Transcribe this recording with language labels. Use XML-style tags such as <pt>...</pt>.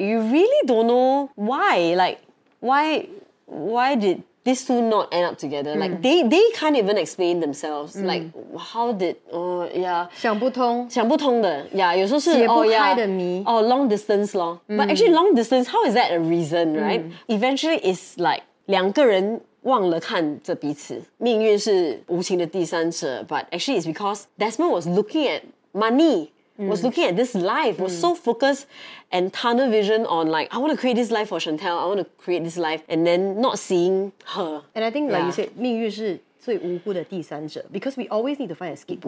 <en>You really don't know why. Like, why did these two not end up together? Like, they can't even explain themselves. Like, how did, yeah.</en> <zh>想不通的.</zh> <en>Yeah,</en> <zh>有时候是,</zh> <en>long distance long. But actually, long distance, how is that a reason, right? Eventually, it's like,</en> <zh>两个人忘了看着彼此，命运是无情的第三者。</zh> <en>But actually it's because Desmond was looking at money、mm. was looking at this life、mm. was so focused and tunnel vision on like, I want to create this life for Chantel, I want to create this life, and then not seeing her. And I think like、yeah. you said,</en> <zh>命运是最无辜的第三者，</zh> <en>because we always need to find a scapegoat.</en>